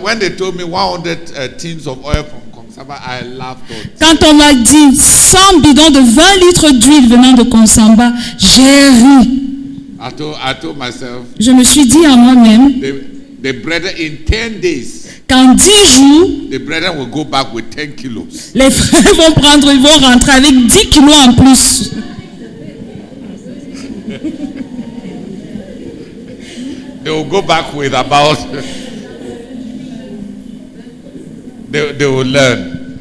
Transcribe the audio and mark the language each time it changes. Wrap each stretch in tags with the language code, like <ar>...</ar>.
<en>When they told me 100 tins of oil from Consamba, I laughed.</en> <fr>Quand on m'a dit 100 bidons de 20 litres d'huile venant de Consamba, j'ai ri.</fr> <en>I told myself,</en> <fr>je me suis dit à moi-même</fr> <en>the brethren in 10 days,</en> <fr>qu'en 10 jours</fr> <en>the brethren will go back with 10 kilos.</en> <fr>Les frères vont rentrer avec 10 kilos en plus.</fr> <en>They will go back with about they will learn.</en>